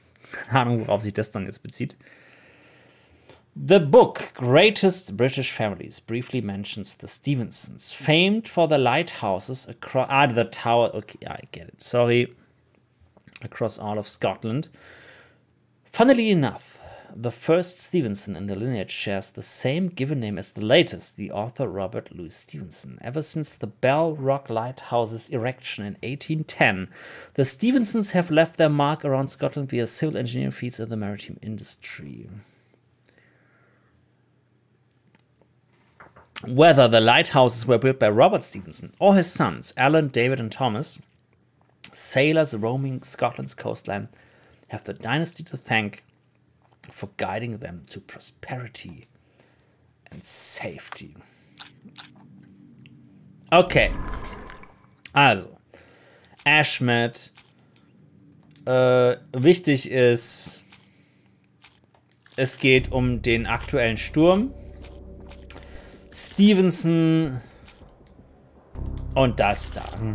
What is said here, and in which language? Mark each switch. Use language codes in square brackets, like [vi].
[de] Keine Ahnung, worauf sich das dann jetzt bezieht. [en] The book Greatest British Families briefly mentions the Stevensons, famed for the lighthouses across, ah, the tower, okay, I get it, sorry, across all of Scotland. Funnily enough, the first Stevenson in the lineage shares the same given name as the latest, the author Robert Louis Stevenson. Ever since the Bell Rock Lighthouse's erection in 1810, the Stevensons have left their mark around Scotland via civil engineering feats in the maritime industry. Whether the lighthouses were built by Robert Stevenson or his sons, Alan, David and Thomas, sailors roaming Scotland's coastline have the dynasty to thank for guiding them to prosperity and safety. Okay. [de] Also, Ashmat, wichtig ist, es geht um den aktuellen Sturm. Stevenson und das da.